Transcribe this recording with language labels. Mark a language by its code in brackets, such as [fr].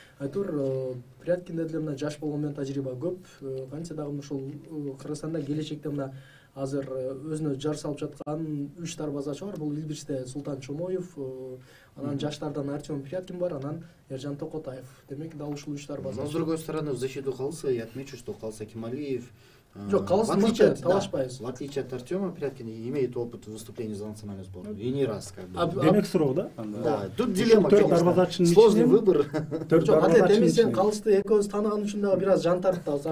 [ky] Айтор Пряткинде деле мына жаш болгон менен тажрыйба көп. Кантсе дагы ушул Кыргызстанда келечекте мына азыр өзүнө жар салып жаткан үч дарбазачы бар. Бул билбирчиде Султан Чомоев, анан жаштардан Артём Пряткин бар, анан Эржан Токотаев. Демек дал ушул үч дарбазачы. [ru] С другой стороны, в защиту Калыса я отмечу, что Калыс Акмалиев. [ky] Жок, Калыс мыкты, талашпайбыз. [ru] В отличие от Артёма Пряткина, имеет опыт выступления за национальную сборную. И не раз, как бы. [ky] Демек суроо, да? [ru] Да. Тут дилемма, конечно. Сложный выбор. [ky] Жок, але, деми сен Калысты экөөбүз тааныган үчүн дагы бир аз жан тартыптабыз.